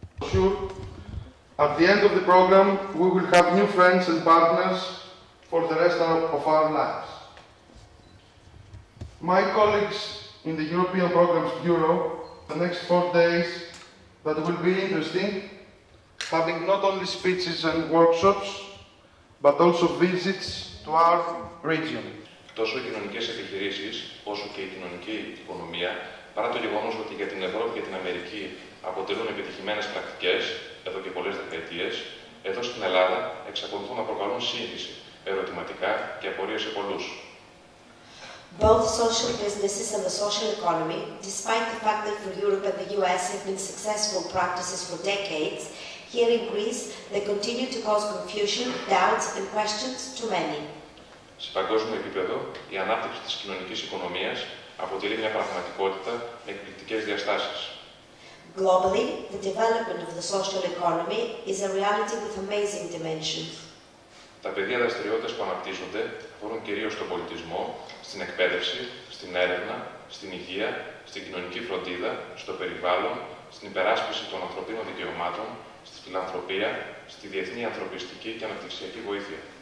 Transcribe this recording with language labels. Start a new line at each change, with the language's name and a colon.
English: Sure, at the end of the program, we will have new friends and partners for the rest of our lives. My colleagues in the European Programs Bureau, the next 4 days, that will be interesting, having not only speeches and workshops, but also visits to our region.
Greek: Τόσο οι κοινωνικές επιχειρήσεις, όσο και η κοινωνική οικονομία, παρά το γεγονός ότι για την Ευρώπη και την Αμερική αποτελούν επιτυχημένες πρακτικές εδώ και πολλές δεκαετίες, εδώ στην Ελλάδα εξακολουθούν να προκαλούν σύγχυση, ερωτηματικά και απορίες σε πολλούς.
English: Both social businesses and the social economy, despite the fact that for Europe and the US have been successful practices for decades, here in Greece, they continue to cause confusion, doubts and questions to many.
Greek: Σε παγκόσμιο επίπεδο, η ανάπτυξη της κοινωνικής οικονομίας αποτελεί μια πραγματικότητα με εκπληκτικές διαστάσεις.
English: Globally, the development of the social economy is a reality with amazing dimensions.
Greek: Τα πεδία δραστηριότητας που αναπτύσσονται αφορούν κυρίως στον πολιτισμό, στην εκπαίδευση, στην έρευνα, στην υγεία, στην κοινωνική φροντίδα, στο περιβάλλον, στην υπεράσπιση των ανθρωπίνων δικαιωμάτων, στη φιλανθρωπία, στη διεθνή ανθρωπιστική και αναπτυξιακή βοήθεια.